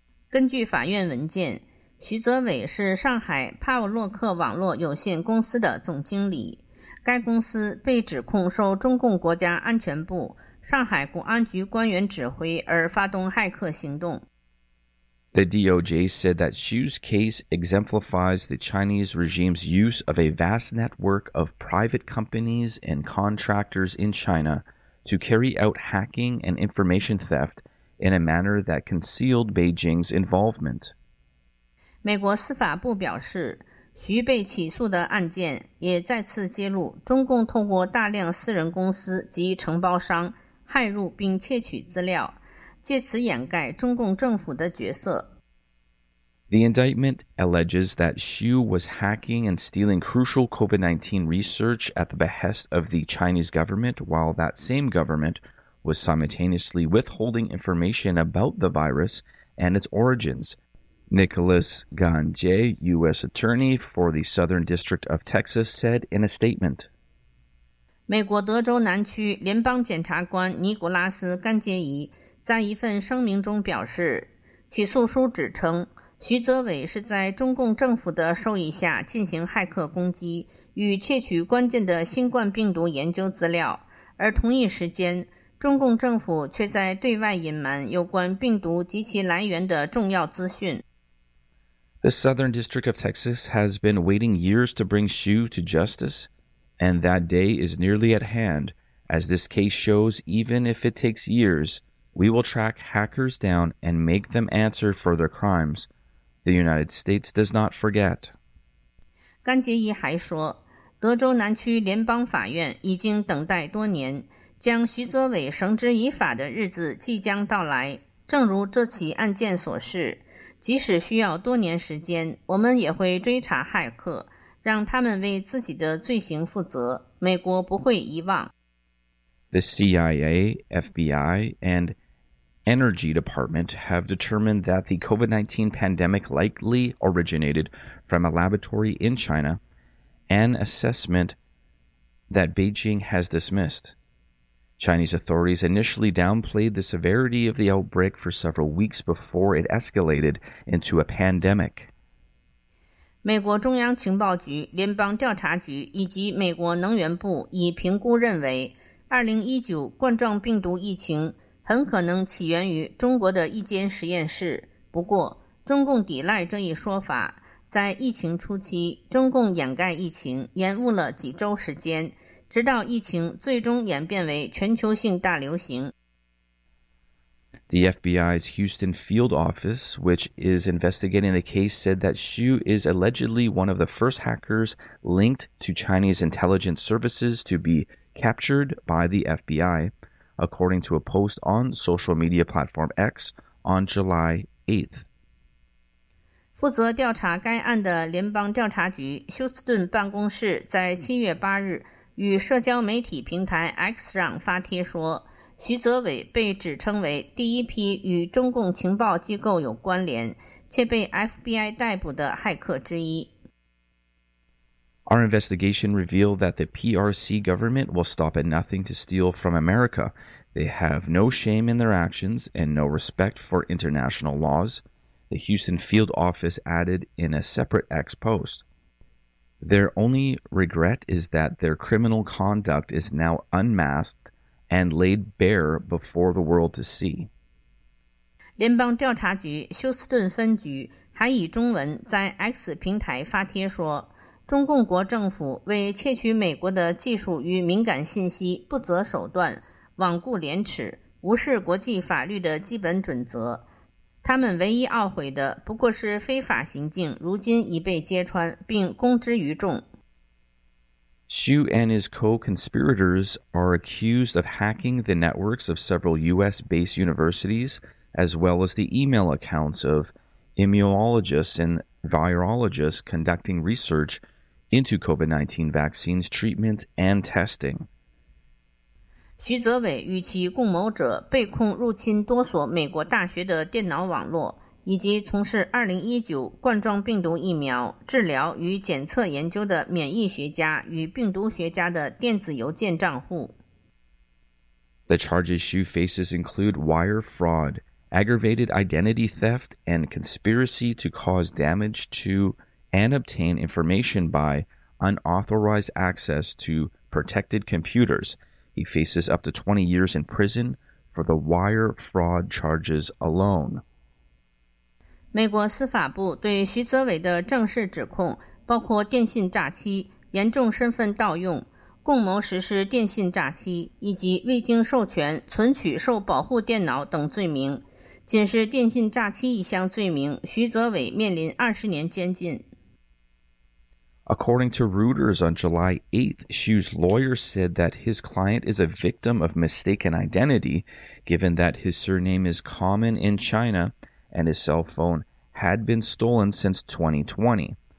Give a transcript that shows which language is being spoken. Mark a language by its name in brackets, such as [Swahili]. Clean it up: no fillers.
[Chinese] 根据法院文件，徐泽伟是上海帕沃洛克网络有限公司的总经理。该公司被指控受中共国家安全部、上海国安局官员指挥而发动骇客行动。 [English] The DOJ said that Xu's case exemplifies the Chinese regime's use of a vast network of private companies and contractors in China to carry out hacking and information theft in a manner that concealed Beijing's involvement. [Chinese] 美国司法部表示，徐被起诉的案件也再次揭露中共透过大量私人公司及承包商骇入并窃取资料，借此掩盖中共政府的角色。 [English] The indictment alleges that Xu was hacking and stealing crucial COVID-19 research at the behest of the Chinese government, while that same government was simultaneously withholding information about the virus and its origins. Nicholas Ganjay, U.S. Attorney for the Southern District of Texas, said in a statement. [Chinese] 美国德州南区联邦检察官尼古拉斯·甘杰仪在一份声明中表示，起诉书指称，徐泽伟是在中共政府的授意下进行骇客攻击与窃取关键的新冠病毒研究资料，而同一时间，中共政府却在对外隐瞒有关病毒及其来源的重要资讯。 [English] The Southern District of Texas has been waiting years to bring Xu to justice, and that day is nearly at hand. As this case shows, even if it takes years, we will track hackers down and make them answer for their crimes. The United States does not forget. [Chinese] 甘杰仪还说，德州南区联邦法院已经等待多年，将徐泽伟绳之以法的日子即将到来。正如这起案件所示，即使需要多年时间，我们也会追查骇客，让他们为自己的罪行负责。美国不会遗忘。 [English] The CIA, FBI, and Energy Department have determined that the COVID-19 pandemic likely originated from a laboratory in China, an assessment that Beijing has dismissed. Chinese authorities initially downplayed the severity of the outbreak for several weeks before it escalated into a pandemic. [Chinese] 美国中央情报局、联邦调查局以及美国能源部已评估认为，2019冠状病毒疫情很可能起源于中国的一间实验室。不过，中共抵赖这一说法。在疫情初期，中共掩盖疫情，延误了几周时间，直到疫情最终演变为全球性大流行。 [English] The FBI's Houston field office, which is investigating the case, said that Xu is allegedly one of the first hackers linked to Chinese intelligence services to be captured by the FBI, according to a post on social media platform X on July 8th. [Chinese] 负责调查该案的联邦调查局休斯顿办公室在7月8日与社交媒体平台 X 上发帖说，徐泽伟被指称为第一批与中共情报机构有关联且被 FBI 逮捕的骇客之一。 [English] Our investigation revealed that the PRC government will stop at nothing to steal from America. They have no shame in their actions and no respect for international laws, the Houston field office added in a separate X post. Their only regret is that their criminal conduct is now unmasked and laid bare before the world to see. [Chinese] 联邦调查局休斯顿分局还以中文在 X 平台发帖说，中共国政府为窃取美国的技术与敏感信息不择手段，罔顾廉耻，无视国际法律的基本准则。他们唯一懊悔的不过是非法行径如今已被揭穿并公之于众。 [English] Xu and his co-conspirators are accused of hacking the networks of several U.S.-based universities, as well as the email accounts of immunologists and virologists conducting research into COVID-19 vaccines, treatment, and testing. [Chinese] 徐泽伟与其共谋者被控入侵多所美国大学的电脑网络，以及从事2019冠状病毒疫苗治疗与检测研究的免疫学家与病毒学家的电子邮件账户。 [English] The charges Xu faces include wire fraud, aggravated identity theft, and conspiracy to cause damage to and obtain information by unauthorized access to protected computers. He faces up to 20 years in prison for the wire fraud charges alone. [Chinese] 美国司法部对徐泽伟的正式指控包括电信诈欺、严重身份盗用、共谋实施电信诈欺以及未经授权存取受保护电脑等罪名。仅是电信诈欺一项罪名，徐泽伟面临20年监禁。 [English] According to Reuters on July 8th, Xu's lawyer said that his client is a victim of mistaken identity, given that his surname is common in China and his cell phone had been stolen since 2020.